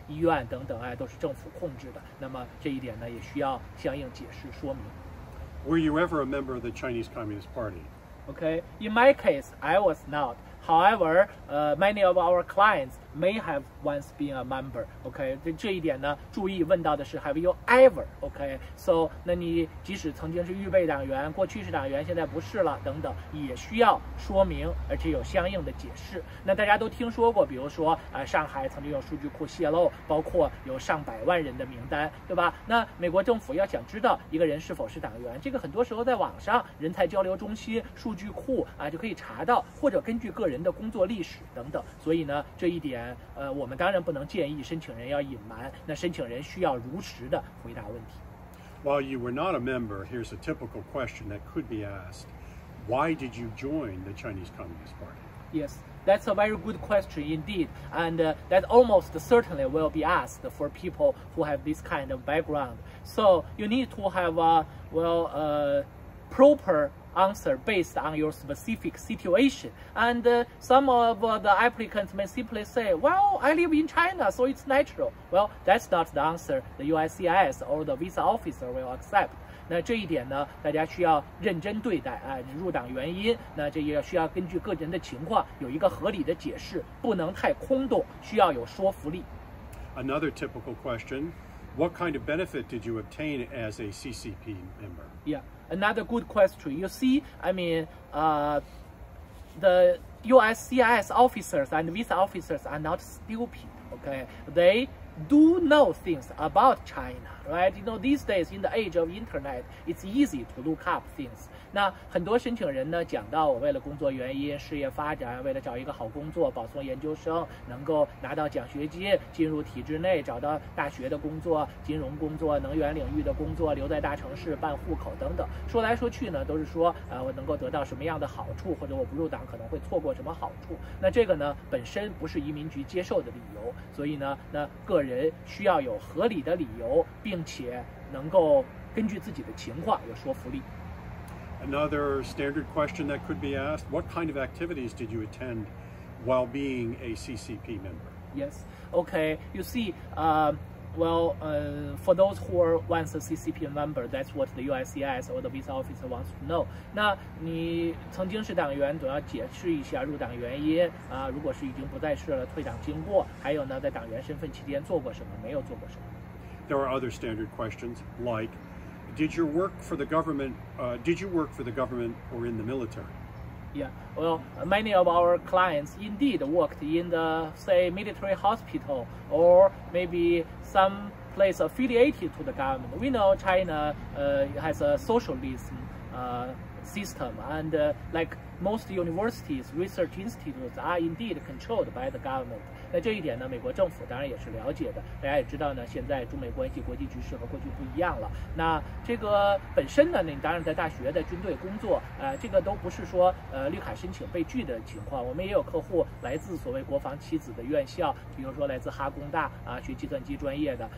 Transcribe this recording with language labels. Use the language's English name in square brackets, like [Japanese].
[Chinese] 医院等等，都是政府控制的。那么这一点呢，也需要相应解释说明。 [English] Were you ever a member of the Chinese Communist Party? Okay, in my case, I was not. However, many of our clients may have once been a member. Okay, [Chinese] 这一点呢，注意问到的是 [English] have you ever? Okay, so [Chinese] 那你即使曾经是预备党员，过去是党员，现在不是了，等等，也需要说明，而且有相应的解释。那大家都听说过，比如说上海曾经有数据库泄露，包括有上百万人的名单，对吧？那美国政府要想知道一个人是否是党员，这个很多时候在网上人才交流中心数据库就可以查到，或者根据个人的工作历史等等。所以呢，这一点。我们当然不能建议申请人要隐瞒，那申请人需要如实的回答问题。 [English] While you were not a member, here's a typical question that could be asked. Why did you join the Chinese Communist Party? Yes, that's a very good question indeed, and that almost certainly will be asked for people who have this kind of background. So you need to have a, well, a proper answer based on your specific situation. And some of the applicants may simply say, well, I live in China, so it's natural. Well, that's not the answer the USCIS or the visa officer will accept. [Chinese] 那这一点呢，大家需要认真对待啊，入党原因，那这也需要根据个人的情况有一个合理的解释，不能太空洞，需要有说服力。 [English] Another typical question, what kind of benefit did you obtain as a CCP member? Yeah. Another good question. You see, I mean, the USCIS officers and visa officers are not stupid, okay? They do know things about China, right? You know, these days in the age of internet, it's easy to look up things. [Chinese] 那很多申请人呢，讲到我为了工作原因、事业发展，为了找一个好工作、保送研究生，能够拿到奖学金、进入体制内、找到大学的工作、金融工作、能源领域的工作、留在大城市办户口等等。说来说去呢，都是说，我能够得到什么样的好处，或者我不入党可能会错过什么好处。那这个呢，本身不是移民局接受的理由，所以呢，那个人需要有合理的理由，并且能够根据自己的情况有说服力。 [English] Another standard question that could be asked, what kind of activities did you attend while being a CCP member? Yes, okay, you see, for those who are once a CCP member, that's what the USCIS or the visa officer wants to know. [Chinese] 那你曾经是党员，总要解释一下入党原因啊。如果是已经不在世了，退党经过，还有呢，在党员身份期间做过什么，没有做过什么。 [English] There are other standard questions like,Did you work for the government, or in the military? Yeah, well, many of our clients indeed worked in the, say, military hospital or maybe some place affiliated to the government. We know China has a socialism system and like most universities, research institutes are indeed controlled by the government. [Chinese] 那这一点呢，美国政府当然也是了解的。大家也知道呢，现在中美关系、国际局势和过去不一样了。那这个本身呢，你当然在大学、在军队工作，这个都不是说绿卡申请被拒的情况。我们也有客户来自所谓国防七子的院校，比如说来自哈工大啊，学计算机专业的。